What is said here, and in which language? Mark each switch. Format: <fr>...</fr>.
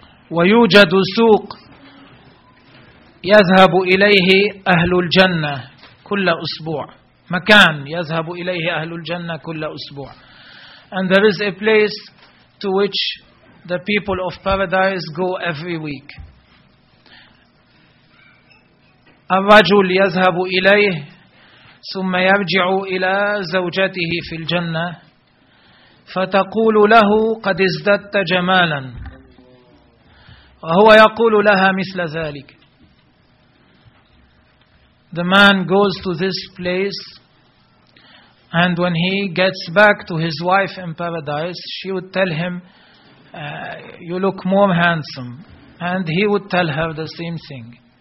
<ar>ويوجد سوق يذهب إليه أهل الجنة كل أسبوع. مكان يذهب إليه أهل الجنة كل أسبوع.</ar> <en>And there is a place to which the people of paradise go every week.</en> <ar>الرجل يذهب إليه ثم يرجع إلى زوجته في الجنة فتقول له قد ازددت جمالا وهو يقول لها مثل ذلك.</ar> <en>The man goes to this place, and when he gets back to his wife in paradise, she would tell him, you look more handsome. And he would tell her the same thing.</en>